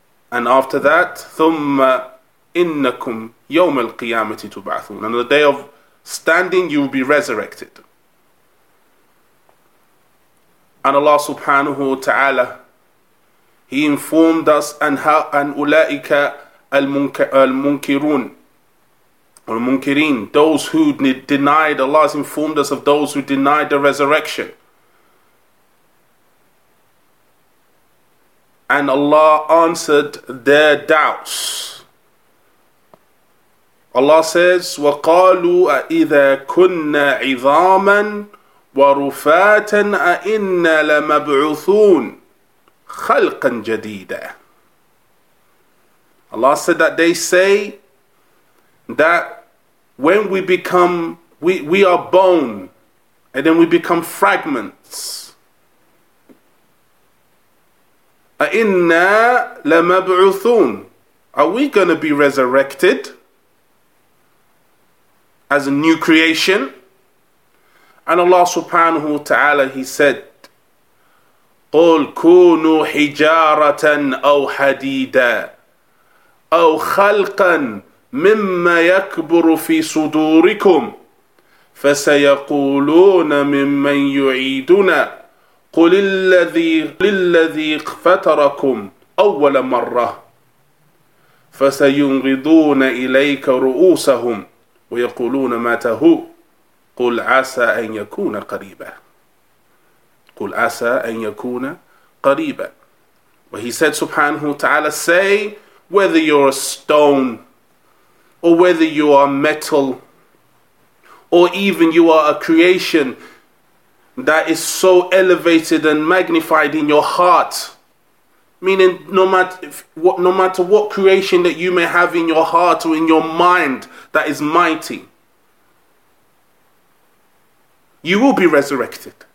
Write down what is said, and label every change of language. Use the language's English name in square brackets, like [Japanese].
[English] And after that, [Arabic] ثُمَّ إِنَّكُمْ يَوْمَ الْقِيَامَةِ تُبْعَثُونَ. [English] And on the day of standing, you will be resurrected. And Allah subhanahu wa ta'ala, he informed us, [Arabic] أَنْ أُولَٰئِكَ الْمُنْكِرُونَ. [English] الْمُنْكِرِينَ, those who denied, Allah has informed us of those who denied the resurrection. And Allah answered their doubts. Allah says, [Arabic] وَقَالُوا أَإِذَا كُنَّا عِظَامًا وَرُفَاتًا أَإِنَّا لَمَبْعُثُونَ خَلْقًا جَدِيدًا. [English] Allah said that they say that when we become, we are bone, and then we become fragments. [Arabic] أَإِنَّا لَمَبْعُثُونَ. [English] Are we going to be resurrected as a new creation? And Allah subhanahu wa ta'ala, he said, [Arabic] قُلْ كُونُوا حِجَارَةً أَوْ حَدِيدًا أَوْ خَلْقًا مِمَّا يَكْبُرُ فِي صُدُورِكُمْ فَسَيَقُولُونَ مِمَّنْ يُعِيدُنَا قُلِ الَّذِي فَتَرَكُمْ أَوَّلَ مَرَّةٍ فَسَيُنْغِضُونَ إِلَيْكَ رُؤُوسَهُمْ وَيَقُولُونَ مَاتَ هُوَ قُلْ عَسَى أَنْ يَكُونَ قَرِيبًا قُلْ عَسَى أَنْ يَكُونَ قَرِيبًا. [English] Where he said subhanahu wa ta'ala, say, whether you're a stone or whether you are metal or even you are a creation that is so elevated and magnified in your heart, meaning no matter what creation that you may have in your heart or in your mind that is mighty, you will be resurrected.